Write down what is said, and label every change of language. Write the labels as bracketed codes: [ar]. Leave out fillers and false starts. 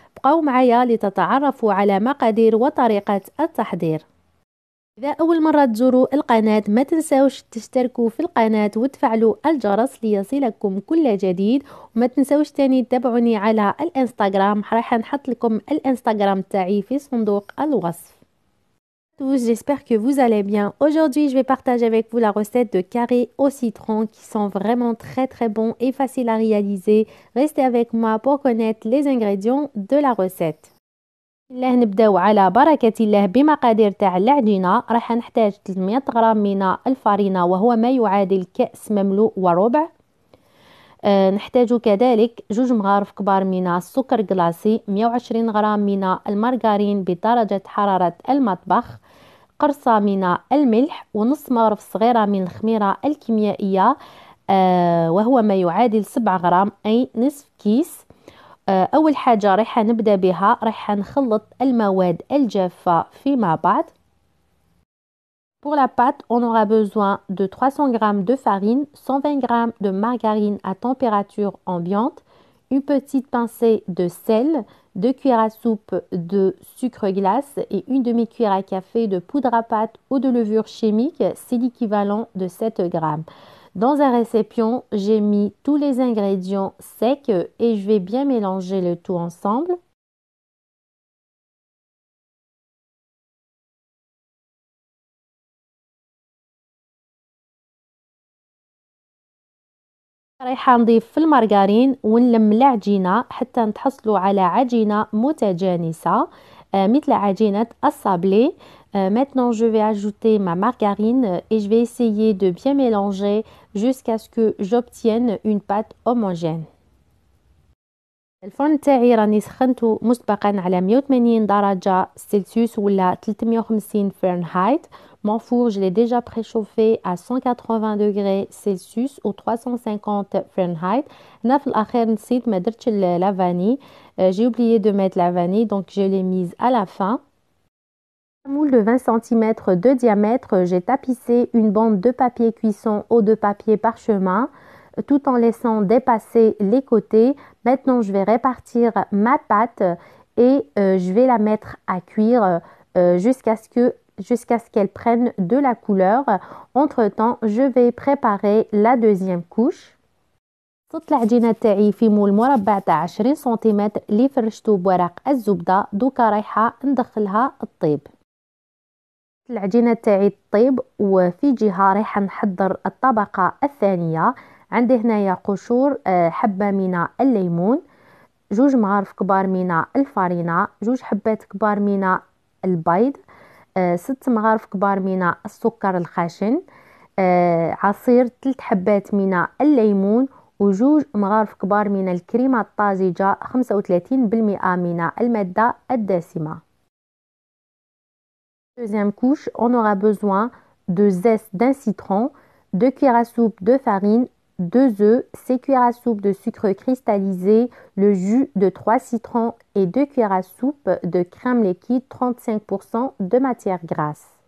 [ar] بقوا معايا لتتعرفوا على مقادير وطريقة التحضير. إذا أول مرة تزوروا القناة ما تنسوش تشتركوا في القناة وتفعلوا الجرس ليصلكم كل جديد، وما تنسوش تاني تتابعوني على الانستغرام. راح نحط لكم الانستغرام تاعي في صندوق الوصف. [fr] Tous, j'espère que vous allez bien. Aujourd'hui, je vais partager avec vous la recette de carré au citron qui sont vraiment très très bons et faciles à réaliser. Restez avec moi pour connaître les ingrédients de la recette. [ar] الله نبداو على بركة الله بمقادير تاع العجينة. راح نحتاج 300 غرام من الفارينة وهو ما يعادل كأس مملوء وربع. نحتاج كذلك 2 مغارف كبار من السكر غلاسي، 120 غرام من المارغرين بدرجة حرارة المطبخ، قرصة من الملح، ونص مغرف صغيرة من الخميرة الكيميائية وهو ما يعادل 7 غرام أي نصف كيس. أول حاجة راح نبدأ بها، راح نخلط المواد الجافة فيما بعد. [fr] Pour la pâte, on aura besoin de 300 g de farine, 120 g de margarine à température ambiante, une petite pincée de sel, 2 cuillères à soupe de sucre glace et une demi-cuillère à café de poudre à pâte ou de levure chimique, c'est l'équivalent de 7 g. Dans un récipient, j'ai mis tous les ingrédients secs et je vais bien mélanger le tout ensemble. [ar] رايح نضيف في المارغرين ونلم العجينة حتى نتحصلوا على عجينة متجانسة مثل عجينة الصابلي. [fr] Maintenant, je vais ajouter ma margarine et je vais essayer de bien mélanger jusqu'à ce que j'obtienne une pâte homogène. [ar] الفرن تاعي راني سخنتو مسبقا على 180 درجة سلسيوس ولا 350 فرنهايت. [fr] Mon four, je l'ai déjà préchauffé à 180 degrés Celsius ou 350 Fahrenheit. [ar] Naf l'akhir nsit ma درتش [fr] la vanille. J'ai oublié de mettre la vanille, donc je l'ai mise à la fin. Moule de 20 cm de diamètre, j'ai tapissé une bande de papier cuisson ou de papier parchemin tout en laissant dépasser les côtés. Maintenant, je vais répartir ma pâte et je vais la mettre à cuire jusqu'à ce qu'elle prenne de la couleur. Entre-temps, je vais préparer la deuxième couche. [ar] حطيت العجينة تاعي في مول مربع تاع 20 سنتيمتر اللي فرشتو بورق الزبدة. دوكا رايحة ندخلها الطيب. العجينة تاعي الطيب وفي جهة رايحة نحضر الطبقة الثانية. عندي هنايا قشور حبة من الليمون، 2 مغارف كبار من الفارينة، 2 حبات كبار من البيض، 6 مغارف كبار من السكر الخشن، عصير 3 حبات من الليمون، وجوج مغارف كبار من الكريمة الطازجة، 35% من المادة الدسمة. [fr] Deuxième couche, on aura besoin de zeste d'un citron, 2 cuillères à soupe de farine, 2 œufs, 6 cuillères à soupe de sucre cristallisé, le jus de 3 citrons et 2 cuillères à soupe de crème liquide, 35% de matière grasse.